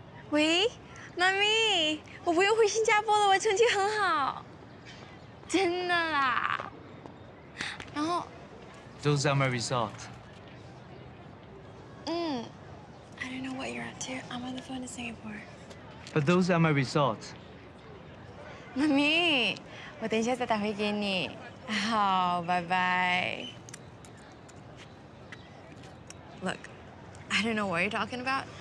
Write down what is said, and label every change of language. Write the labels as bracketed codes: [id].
[zh] 喂，妈咪，我不用回新加坡了，我成绩很好，真的啦。然后 [en] ，Those are my results. 嗯 ，I don't know what you're up to. I'm on the phone to Singapore. But those are my results. [zh] 妈咪，我等一下再打回给你。好，拜拜。 [en] Look, I don't know what you're talking about.